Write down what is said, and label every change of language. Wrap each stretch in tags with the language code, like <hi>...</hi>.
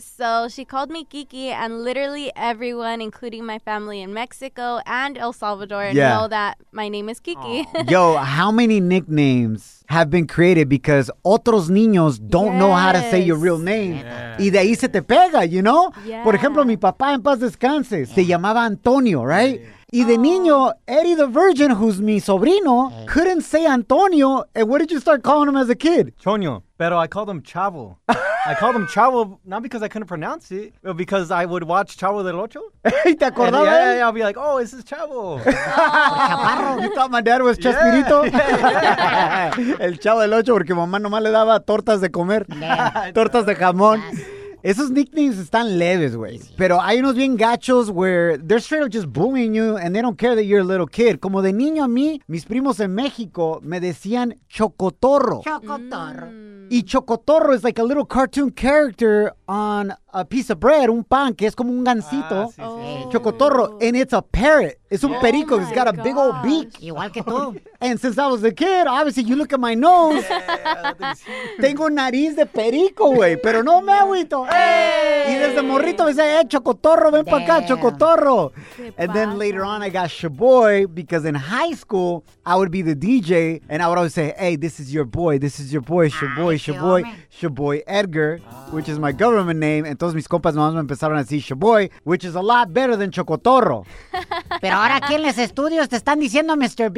<en>So she called me Kiki, and literally everyone, including my family in Mexico and El Salvador, know that my name is Kiki. Yo, how many nicknames have been created because</en> <es>otros niños</es> <en>don't know how to say your real name?</en> <es>Yeah. Y de ahí se te pega,</es> <en>you know? Yeah.</en> <es>Por ejemplo, mi papá en paz descanse, se llamaba Antonio, right?</es> <en>Yeah.</en> <es>Y de niño, Eddie the Virgin,</es> <en>who's</en> <es>mi sobrino,</es> <en>couldn't say Antonio. And what did you start calling him as a kid? Chonio. Pero I called him Chavo. I called him Chavo not because I couldn't pronounce it, but because I would watch Chavo del Ocho.</en> <es>¿Te acordabas?</es> <en>Yeah, yeah, yeah. I'll be like, oh, this is Chavo. Chaparro. You thought my dad was Chespirito? Yeah.</en> <es>El Chavo del Ocho, porque mamá nomás le daba tortas de comer. Tortas de jamón. Esos nicknames están leves, güey. Pero hay unos bien gachos</es> <en>where they're straight up just bullying you and they don't care that you're a little kid.</en> <es>Como de niño a mí, mis primos en México me decían Chocotorro. Chocotorro. Mm.</es> <en>Y Chocotorro is like a little cartoon character on a piece of bread,</en> <es>un pan, que es como un gansito. Ah, sí, sí. Oh.</es> <en>Chocotorro, and it's a parrot. It's</en> <es>un perico.</es> <en>It's got a big old beak.</en> <es>Igual que tú.</es> <en>And since I was a kid, obviously, you look at my nose.</en> <es>Tengo nariz de perico, güey. Pero no me agüito.</es> <en>Hey.</en> <es>Y desde morrito me dice, Chocotorro, ven para acá, Chocotorro.</es> <en>And then later on, I got Shaboy, because in high school, I would be the DJ, and I would always say, hey, this is your boy. This is your boy, Shaboy, Shaboy, Shaboy Edgar, which is my government name.</en> <es>Entonces, mis compas nomás me empezaron a decir Shaboy,</es> <en>which is a lot better than Chocotorro.</en> <es>Pero ahora aquí en los estudios te están diciendo Mr.</es>